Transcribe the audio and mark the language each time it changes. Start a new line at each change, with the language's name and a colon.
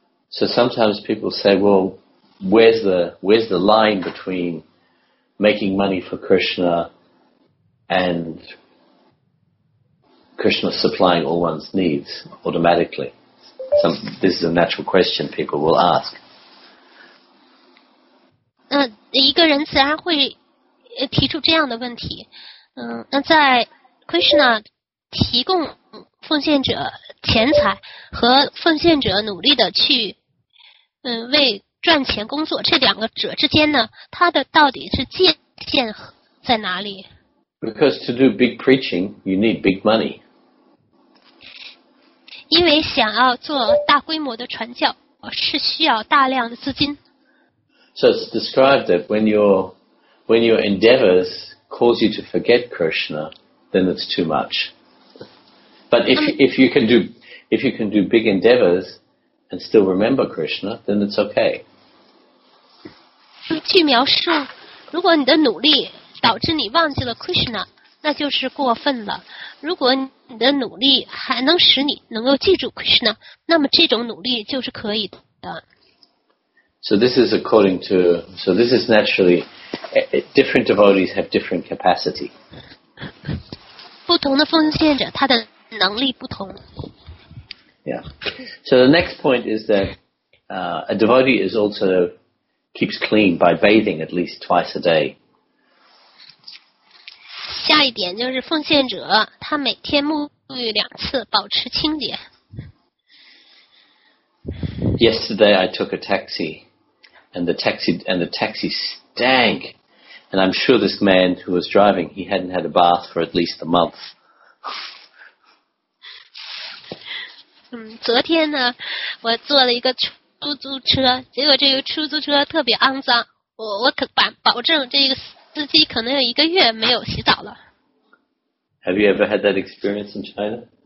English: So sometimes people say, well, where's the line between making money for Krishna and Krishna supplying all one's needs automatically? This is a natural question people will ask.
Chinese: 一个人自然会提出这样的问题。那在 Krishna 提供奉献者钱财和奉献者努力的去为赚钱工作，这两个者之间呢，他的到底是界限在哪里？
English: Because to do big preaching, you need big money.
Chinese: 因为想要做大规模的传教，是需要大量的资金。
English: So it's described that when your endeavors cause you to forget Krishna, then it's too much. But if you can do big endeavors,and still remember Krishna, then it's okay.
Chinese: 据描述，如果你的努力导致你忘记了 Krishna， 那就是过分了。如果你的努力还能使你能够记住 Krishna， 那么这种努力就是可以的。
English: So this is naturally, different devotees have different capacity.
Chinese: 不同的奉献者，他的能力不同。 Yeah.
English: So the next point is that a devotee is also keeps clean by bathing at least twice a day.
Chinese: 下一点就是奉献者，他每天沐浴两次，保持清洁。
English: Yesterday I took a taxi, and the taxi stank, and I'm sure this man who was driving, he hadn't had a bath for at least a month.
Chinese: 昨天呢，我坐了一个出租车，结果这个出租车特别肮脏，我可保证这个司机可能有一个月没有洗澡了。
English: Have you ever had that experience in China?